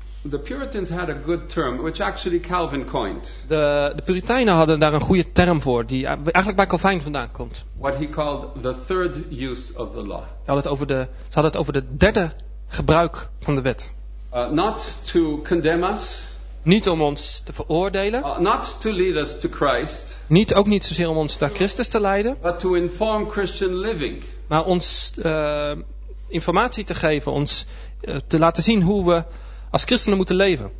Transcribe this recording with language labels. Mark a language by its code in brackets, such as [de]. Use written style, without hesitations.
[en] The Puritans had a good term, which actually Calvin coined. [nl] De Puritijnen hadden daar een goede term voor, die eigenlijk bij Calvin vandaan komt. [en] What he called the third use of the law. [nl] Ze hadden het over de derde gebruik van de wet. [en] Not to condemn us. [nl] Niet om ons te veroordelen. [en] Not to lead us to Christ. [nl] Niet ook niet zozeer om ons naar Christus te leiden. [en] But to inform Christian living. [nl] Maar ons informatie te geven, ons te laten zien hoe we als christenen moeten leven.